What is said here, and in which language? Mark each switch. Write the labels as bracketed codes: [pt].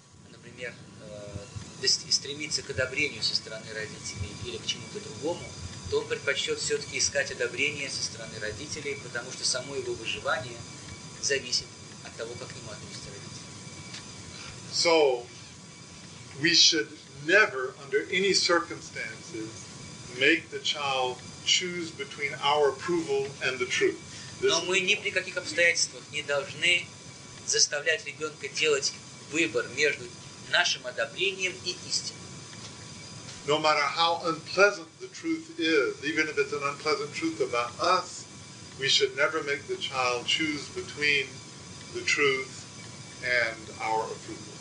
[ru] например, стремится к одобрению со стороны родителей или к чему-то другому, то он предпочтет все-таки искать одобрение со стороны родителей, потому что само его выживание зависит от того, как к нему относятся родители. [en] So, we should never, under any circumstances, make the child choose between our approval and the truth. [ru] Но мы ни при каких обстоятельствах не должны заставлять ребенка делать выбор между нашим одобрением и истиной. [en] No matter how unpleasant the truth is, even if it's an unpleasant truth about us, we should never make the child choose between the truth and our approval.